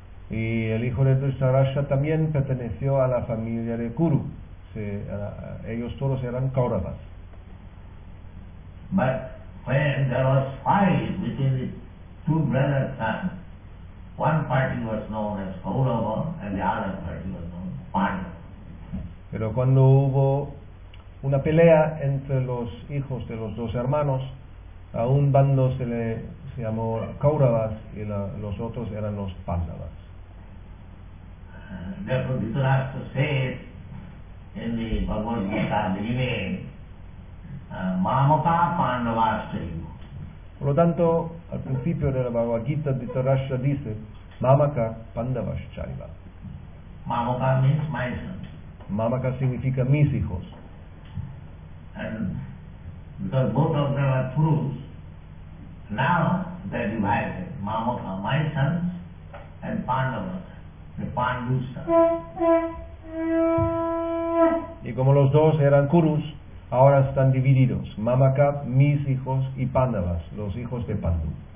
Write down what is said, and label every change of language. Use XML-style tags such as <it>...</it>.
<es>Y el hijo de Dhritarashtra también perteneció a la familia de Kuru. Ellos todos eran Kauravas.</es> <en>But when there was fight between the two brothers' sons, one party was known as Kaurava and the other party was known as Pandu.</en> <es>Pero cuando hubo una pelea entre los hijos de los dos hermanos, a un bando se llamó Kauravas y los otros eran los Pandavas.</es> <en>Therefore, Dhritarashtra says in the Bhagavad Gita, beginning, Mamata Pandavastrayo.</en> <es>Por lo tanto, al principio de la Bhagavad Gita, Dhritarashtra dice, Mamaka Pandavastrayo.</es> <en>Mamaka means my son.</en> <es>Mamaka significa mis hijos.</es> <en>And because both of them are Kurus, now they are divided. Mamaka, my sons, and Pandavas.</en> <es>Y como los dos eran Kurus, ahora están divididos. Mamaka, mis hijos, y Pandavas, los hijos de Pandu.</es>